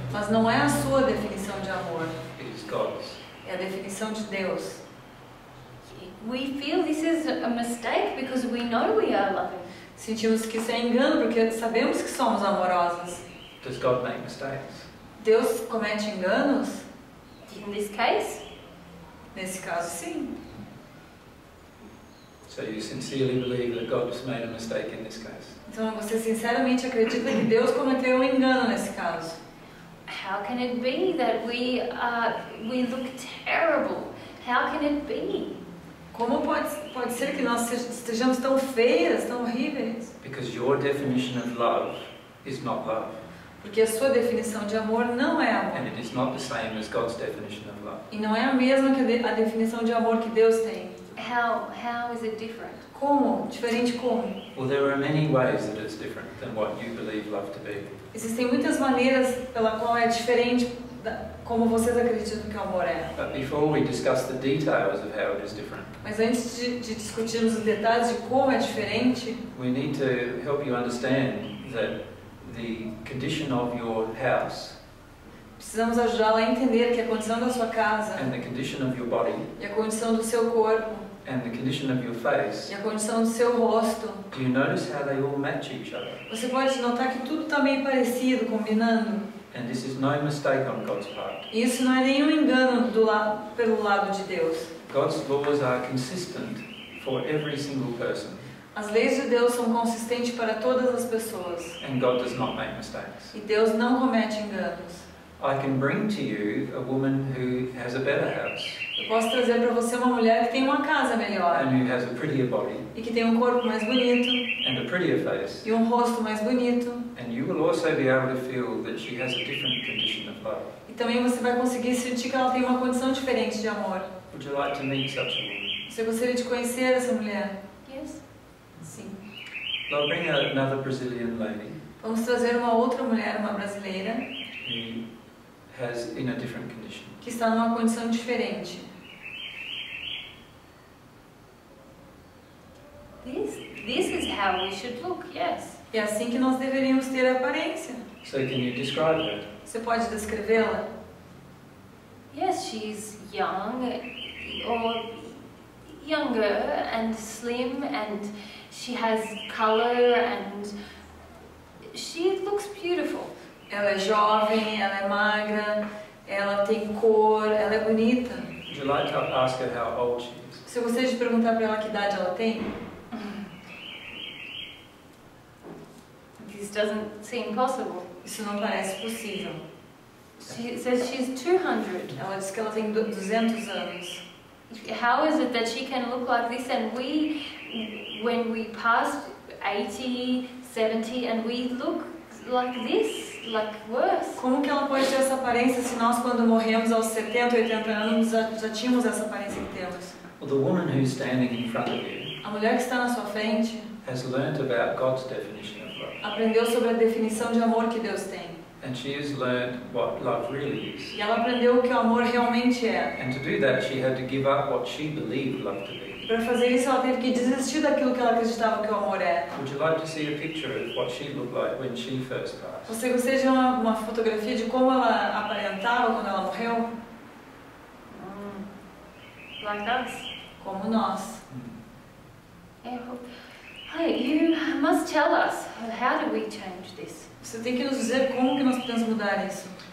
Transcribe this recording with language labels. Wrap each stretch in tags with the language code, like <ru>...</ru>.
<pt>Mas não é a sua definição de amor.</pt> <en>It is God's.</en> <pt>É a definição de Deus.</pt> <en>We feel this is a mistake because we know we are loving.</en> <pt>Sentimos que isso é engano porque sabemos que somos amorosas.</pt> <en>Does God make mistakes?</en> <pt>Deus comete enganos?</pt> <en>In this case?</en> <pt>Nesse caso, sim.</pt> <en>So you sincerely believe that God has made a mistake in this case?</en> <pt>Então você sinceramente acredita que Deus cometeu engano nesse caso?</pt> <en>How can it be that we look terrible? How can it be?</en> <pt>Como pode ser que nós estejamos tão feias, tão horríveis?</pt> <en>Because your definition of love is not love.</en> <pt>Porque a sua definição de amor não é amor.</pt> <en>And it is not the same as God's definition of love.</en> <pt>E não é a mesma que a definição de amor que Deus tem.</pt> <en>How is it different?</en> <pt>Como? Diferente como?</pt> <en>Well, there are many ways that it's different than what you believe love to be.</en> <pt>Existem muitas maneiras pela qual é diferente como vocês acreditam que o amor é.</pt> <en>But before we discuss the details of how it is different.</en> <pt>Mas antes de discutirmos os detalhes de como é diferente,</pt> <en>we need to help you understand that the condition of your house.</en> <pt>Precisamos ajudá-la a entender que a condição da sua casa.</pt> <en>And the condition of your body.</en> <pt>E a condição do seu corpo.</pt> <en>And the condition of your face.</en> <pt>E a condição do seu rosto.</pt> <en>Do you notice how they all match each other?</en> <pt>Você pode notar que tudo está meio parecido, combinando.</pt> <en>And this is no mistake on God's part.</en> <pt>Isso não é nenhum engano pelo lado de Deus.</pt> <en>God's laws are consistent for every single person.</en> <pt>As leis de Deus são consistentes para todas as pessoas.</pt> <en>And God does not make mistakes.</en> <pt>E Deus não comete enganos.</pt> <en>I can bring to you a woman who has a better house.</en> <pt>Eu posso trazer para você uma mulher que tem uma casa melhor.</pt> <en>And who has a prettier body.</en> <pt>E que tem um corpo mais bonito.</pt> <en>And a prettier face.</en> <pt>E um rosto mais bonito.</pt> <en>And you will also be able to feel that she has a different condition of love.</en> <pt>E também você vai conseguir sentir que ela tem uma condição diferente de amor.</pt> <en>Would you like to meet such a woman?</en> <pt>Você gostaria de conhecer essa mulher?</pt> <en>Yes.</en> <pt>Sim.</pt> <en>We'll bring another Brazilian lady.</en> <pt>Vamos trazer uma outra mulher, uma brasileira.</pt> <en>Has in a different condition.</en> <pt>Que está numa condição diferente.</pt> <en>This is how we should look, yes.</en> <pt>É assim que nós deveríamos ter a aparência.</pt> <en>So can you describe her?</en> <pt>Você pode descrevê-la?</pt> <en>Yes, she's young or younger and slim and she has color and she looks beautiful.</en> <pt>Ela é jovem, ela é magra, ela tem cor, ela é bonita.</pt> <en>Would you like to ask her how old she is?</en> <pt>Se você te perguntar para ela que idade ela tem?</pt> <en>This doesn't seem possible.</en> <pt>Isso não parece possível.</pt> <en>She says she's 200.</en> <pt>Ela diz que ela tem 200 anos.</pt> <en>How is it that she can look like this and we, when we pass 80, 70 and we look like this? Like worse.</en> <pt>Como que ela pode ter essa aparência se nós, quando morremos aos 70, 80 anos, já tínhamos essa aparência que temos?</pt> <en>Well, the woman who's standing in front of you,</en> <pt>a mulher que está na sua frente,</pt> <en>has learned about God's definition of love.</en> <pt>Aprendeu sobre a definição de amor que Deus tem.</pt> <en>And she has learned what love really is.</en> <pt>E ela aprendeu o que o amor realmente é.</pt> <en>And to do that, she had to give up what she believed love to be.</en> <pt>Para fazer isso, ela teve que desistir daquilo que ela acreditava que o amor é.</pt> <en>Would you like to see a picture of what she looked like when she first passed?</en> <pt>Você gostaria de ver uma fotografia de como ela aparentava quando ela morreu?</pt> <en>Like us?</en> <pt>Como nós.</pt> <en>Hey, you must tell us, how do we change this?</en> <pt>Você tem que nos dizer como que nós podemos mudar isso.</pt>